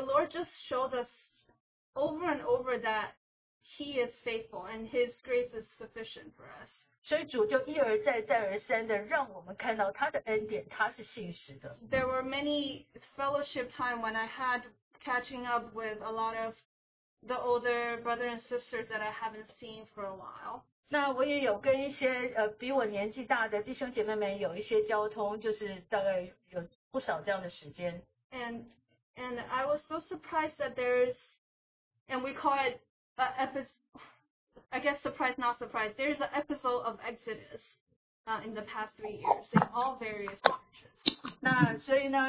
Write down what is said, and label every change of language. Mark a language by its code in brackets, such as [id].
[en] Lord just showed us over and over that He is faithful and His grace is sufficient for us. [zh] 所以主就一而再再而三的让我们看到他的恩典，他是信实的。 [en] There were many fellowship time when I had catching up with a lot of the older brothers and sisters that I haven't seen for a while. [zh] 那我也有跟一些比我年纪大的弟兄姐妹们有一些交通，就是大概有不少这样的时间。 [en] And I was so surprised that there's, and we call it there's an episode of Exodus in the past 3 years in all various churches.